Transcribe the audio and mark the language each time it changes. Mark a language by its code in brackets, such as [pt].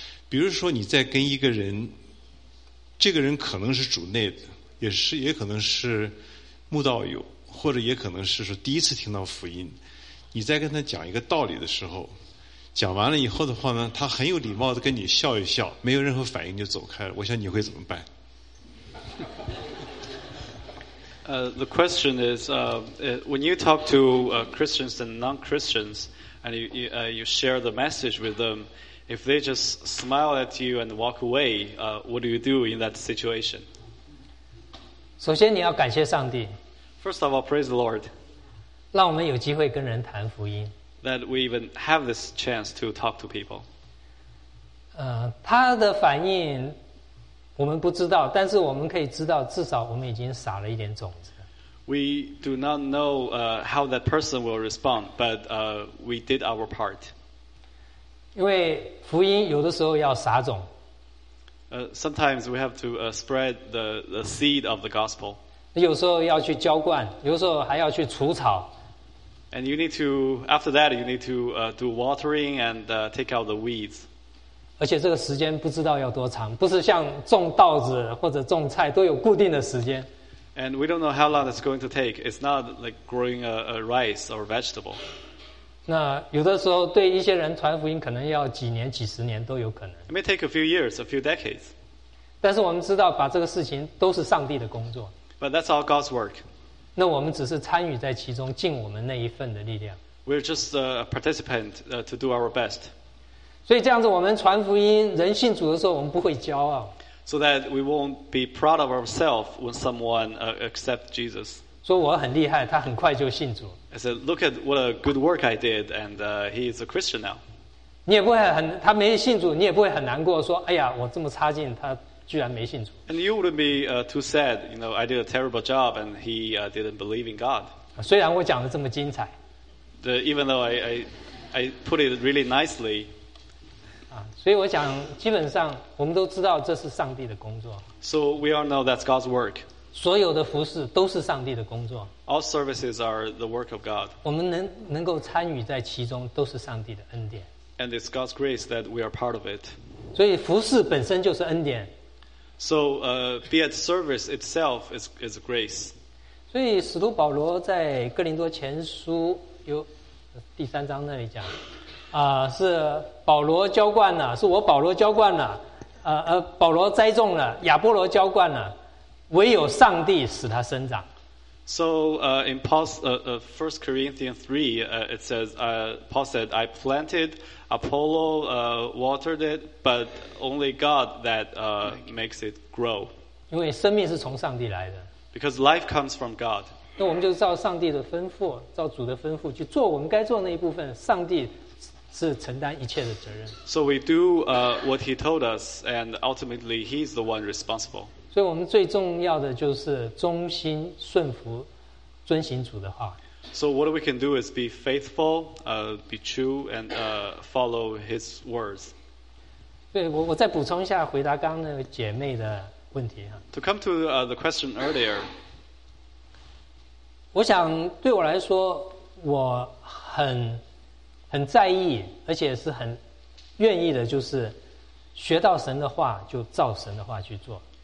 [zh] 比如说你在跟一个人，这个人可能是主内的，也可能是慕道友，或者也可能是说第一次听到福音，你在跟他讲一个道理的时候。讲完了以后的话呢，他很有礼貌的跟你笑一笑，没有任何反应就走开了。我想你会怎么办？ [en] The question is, when you talk to Christians and non-Christians, and you share the message with them, if they just smile at you and walk away, what do you do in that situation? [zh] 首先你要感谢上帝。 [en] First of all, praise the Lord. [zh] 让我们有机会跟人谈福音。 [en] That we even have this chance to talk to people. [zh] 他的反应我们不知道，但是我们可以知道，至少我们已经撒了一点种子。 [en] We do not know how that person will respond, but we did our part. [zh] 因为福音有的时候要撒种。 [en] Sometimes we have to spread the seed of the gospel. [zh] 有时候要去浇灌，有时候还要去除草。 [en] And you need to, after that, you need to do watering and take out the weeds. [zh] 而且这个时间不知道要多长，不是像种稻子或者种菜都有固定的时间。 [en] And we don't know how long it's going to take. It's not like growing a rice or vegetable. [zh] 那有的时候对一些人传福音可能要几年、几十年都有可能。 [en] It may take a few years, a few decades. [zh] 但是我们知道把这个事情都是上帝的工作。 [en] But that's all God's work. [zh] 那我们只是参与在其中，尽我们那一份的力量。 [en] We're just a participant to do our best. [zh] 所以这样子，我们传福音、人信主的时候，我们不会骄傲。 [en] So that we won't be proud of ourselves when someone accepts Jesus. [zh] 说我很厉害，他很快就信主。 [en] I said, look at what a good work I did, and he is a Christian now. [zh] 你也不会很，他没信主，你也不会很难过，说哎呀，我这么差劲，他。居然没信主。 [en] And you wouldn't be too sad, you know. I did a terrible job, and he didn't believe in God. [zh] 虽然我讲的这么精彩。 [en] Even though I put it really nicely. [zh] 所以我讲，基本上我们都知道这是上帝的工作。 [en] So we all know that's God's work. [zh] 所有的服事都是上帝的工作。 [en] All services are the work of God. [zh] 我们能够参与在其中，都是上帝的恩典。 [en] And it's God's grace that we are part of it. [zh] 所以服事本身就是恩典。 [en] So, be at service itself is grace. [zh] 所以使徒保罗在哥林多前书有第三章那里讲，是保罗浇灌了，是我保罗浇灌了，保罗栽种了，亚波罗浇灌了，唯有上帝使他生长。 [en] So, in Paul's First Corinthians 3, it says, Paul said, I planted. Apollo watered it, but only God that makes it grow. [zh] 因为生命是从上帝来的。 [en] Because life comes from God. [zh] 那我们就照上帝的吩咐，照主的吩咐去做我们该做那一部分，上帝是承担一切的责任。 [en] So we do what he told us, and ultimately he's the one responsible. [zh] 所以我们最重要的就是忠心顺服，遵行主的话。 [en] So what we can do is be faithful, be true, and follow his words. [zh] 对，我再补充一下回答刚刚那个姐妹的问题。 [en] To come to the question earlier, [zh] 我想对我来说，我很在意，而且是很愿意的，就是学到神的话就照神的话去做。